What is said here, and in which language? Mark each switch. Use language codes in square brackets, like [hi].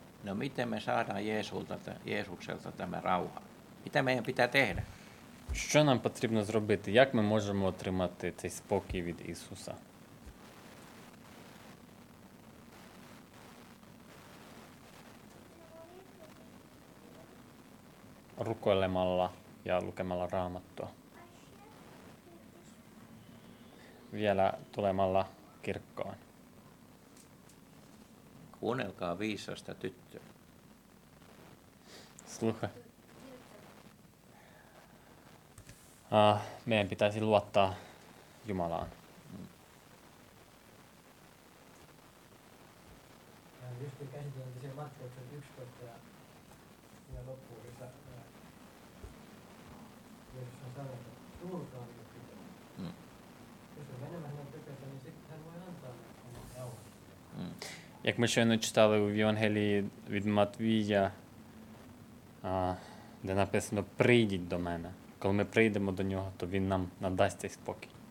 [fi] No miten me saadaan Jeesukselta tämä rauha? Mitä meidän pitää tehdä? [uk] Що нам потрібно зробити? Як ми можемо отримати цей спокій від Ісуса? [fi] Rukoilemalla ja lukemalla Raamattua. Vielä tulemalla kirkkoon. Kuunnelkaa viisasta tyttöä. [uk] Слухай. [fi] Meidän pitäisi luottaa Jumalaan. Just käsiteltiin sen Matteuksen 11 ja siinä loppuun, jossa Jeesus on sanonut, että tulkaa minun tykönä. Jos on menemään hänen tykönsä, niin sitten hän voi antaa oman rauhan. [uk] Як ми щойно читали в Євангелії від Матвія, де написано «Прийдіть до мене». Коли ми прийдемо до нього, то він нам надасть цей спокій.